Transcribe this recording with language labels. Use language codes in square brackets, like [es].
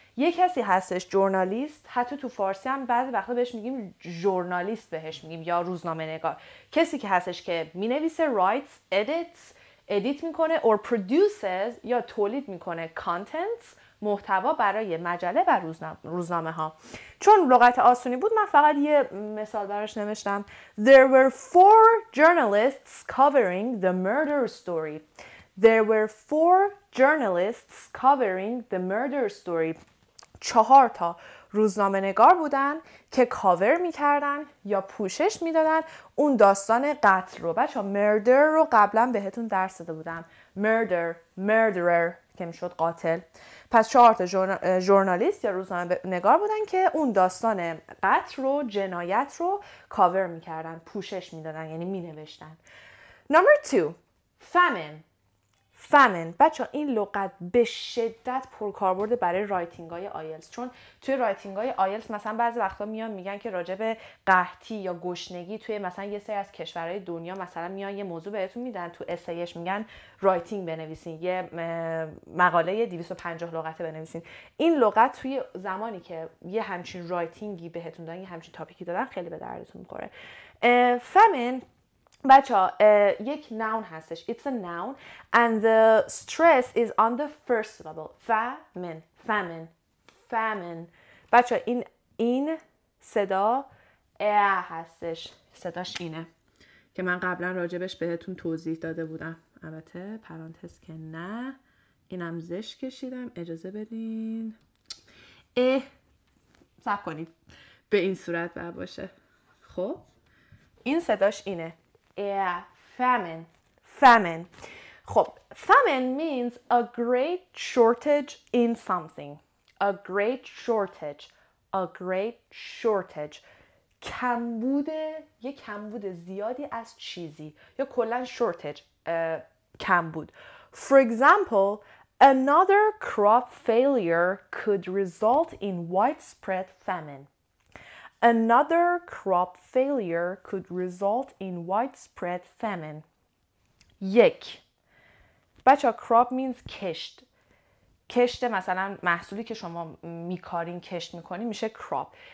[fa] یه کسی هستش جورنالیست، حتی تو فارسی هم بعضی وقتا بهش میگیم جورنالیست، بهش میگیم یا روزنامه نگار، کسی که هستش که مینویسه، [en] writes, edits، [fa] edit میکنه [en] or produces [fa] یا تولید میکنه contents، محتوا برای مجله و روزنامه ها. چون لغت آسونی بود من فقط یه مثال براش نوشتم. [en] There were four journalists covering the murder story. There were four journalists covering the murder story. [fa] چهار تا روزنامه نگار بودن که کاور میکردن یا پوشش میدادن اون داستان قتل رو. بچه ها مردر رو قبلا بهتون درس داده بودم، مردر، مردرر که میشد قاتل. پس چهار تا جورنالیست یا روزنامه نگار بودن که اون داستان قتل رو، جنایت رو کاور میکردن، پوشش میدادن، یعنی مینوشتن. نمبر 2، فامین. فامین بچه ها این لغت به شدت پرکاربرد برای رایتینگ های آیلتس، چون توی رایتینگ های آیلتس مثلا بعضی وقتا میان میگن که راجع به قحطی یا گشنگی توی مثلا یه سری از کشورهای دنیا مثلا میان یه موضوع بهتون میدن، تو اسایش میگن رایتینگ بنویسین، یه مقاله 250 لغته بنویسین. این لغت توی زمانی که یه همچین رایتینگی بهتون دادن، یه همچین تاپیکی دادن، خیلی به دردتون میخوره. فامین بچه ها یک noun هستش. [en] It's a noun and the stress is on the first syllable. Famine. Famine. Famine. [fa] بچه ها این صدا ا هستش. صداش اینه که من قبلا راجبش بهتون توضیح داده بودم. البته پرانتز که نه. اینم زش کشیدم. اجازه بدین. صبر کنید. به این صورت بر باشه. خب. این صداش اینه. [en] Yeah, famine. Famine. [fa] خب [en] famine means a great shortage in something. A great shortage. A great shortage. [fa] کمبوده، یه کمبود زیادی از چیزی، یا کلن shortage، کمبود. [en] For example, another crop failure could result in widespread famine. Another crop failure could result in widespread famine. [fa] یک. بچه ها [en] crop means [fa] کشت. کشت مثلا محصولی که شما میکارین، کشت میکنین، میشه crop.